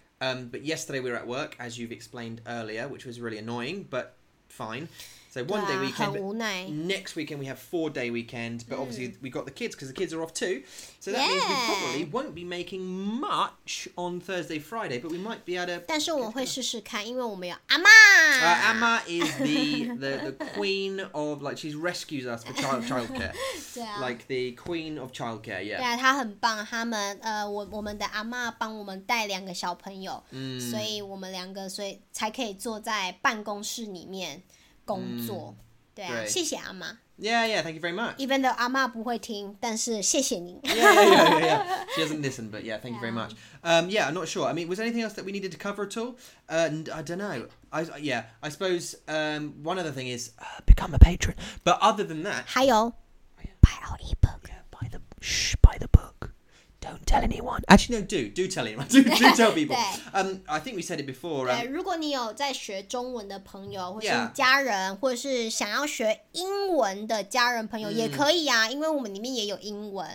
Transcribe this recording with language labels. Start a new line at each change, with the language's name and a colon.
English: But yesterday we were at work, as you've explained earlier, which was really annoying, but fine. So one day weekend, next weekend we have 4-day weekend, but obviously we got the kids because the kids are off too. So that means we probably won't be making much on Thursday, Friday, but we might be able to...
Chinese: 但是我会试试看，因为我们有阿妈。
English: Amma is the queen of, like, she rescues us for childcare. Like the queen of childcare, yeah.
Chinese: 对啊，她很棒，他们，我们的阿妈帮我们带两个小朋友，所以我们两个，所以才可以坐在办公室里面。工作，对啊，谢谢阿妈。
English: Yeah, yeah, thank you very much. Even though
Chinese: 阿妈不会听, 但是谢谢您。
English: Yeah. She doesn't listen, but yeah, thank you very much. Yeah, I'm not sure. I mean, was there anything else that we needed to cover at all? I don't know. I suppose one other thing is become a patron. But other than that,
Chinese: 还有,
English: buy our ebook. Yeah, buy the book. Don't tell anyone. Actually, no, do tell anyone. Do tell people. I think we said it before.
Chinese: 如果你有在学中文的朋友，或是家人，或是想要学英文的家人朋友，也可以啊，因为我们里面也有英文。